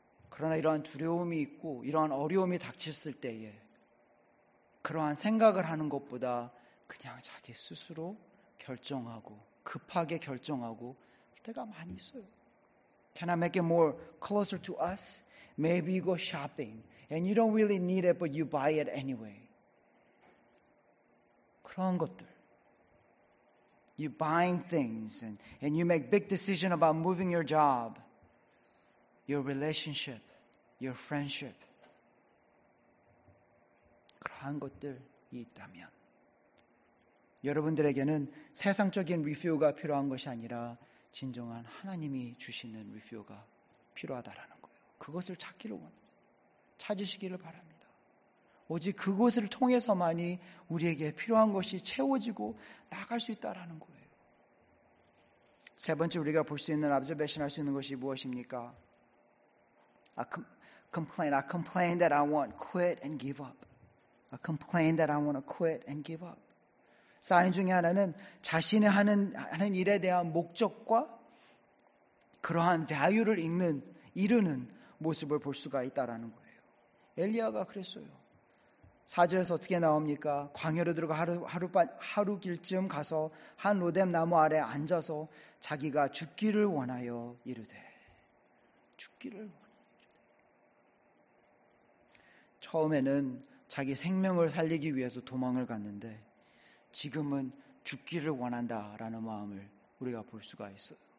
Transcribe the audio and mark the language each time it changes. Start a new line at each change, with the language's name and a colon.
Korean: 그러나 이러한 두려움이 있고 이러한 어려움이 닥쳤을 때에 그러한 생각을 하는 것보다 그냥 자기 스스로 결정하고 급하게 결정하고 때가 많이 있어요.
English: Can I make it more closer to us? Maybe you go shopping and you don't really need it but you buy it anyway.
Korean: 그러한 것들
English: You buying things and you make big decision about moving your job, your relationship, your friendship.
Korean: 그러한 것들이 있다면 여러분들에게는 세상적인 리뷰가 필요한 것이 아니라 진정한 하나님이 주시는 리뷰가 필요하다라는 거예요. 그것을 찾기를 원합니다. 찾으시기를 바랍니다. 오직 그곳을 통해서만이 우리에게 필요한 것이 채워지고 나갈 수 있다라는 거예요. 세 번째 우리가 볼 수 있는 observation 할 수 있는 것이 무엇입니까?
English: I complain that I want quit and give up. I complain that I want to quit and give up.
Korean: 사인 중에 하나는 자신이 하는 일에 대한 목적과 그러한 value를 이루는 모습을 볼 수가 있다라는 거예요. 엘리야가 그랬어요. 4절에서 어떻게 나옵니까? 광야로 들어가 하루 길쯤 가서 한 로뎀 나무 아래 앉아서 자기가 죽기를 원하여 이르되 죽기를 처음에는 자기 생명을 살리기 위해서 도망을 갔는데 지금은 죽기를 원한다라는 마음을 우리가 볼 수가 있어요.